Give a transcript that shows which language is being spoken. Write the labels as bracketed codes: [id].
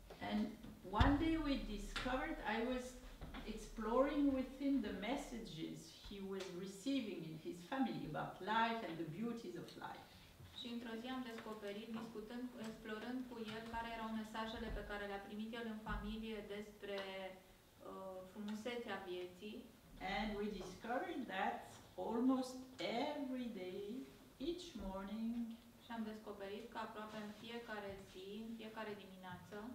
[en] And one day we discovered I was exploring within the messages he was receiving in his family about life and the beauties of life. [ro] Și într-o zi am descoperit, discutând, explorând cu el, care erau mesajele pe care le-a primit el în familie despre frumusețea vieții. [en] And we discovered that almost every day, each morning, [ro] și am descoperit că aproape în fiecare zi, în fiecare dimineață,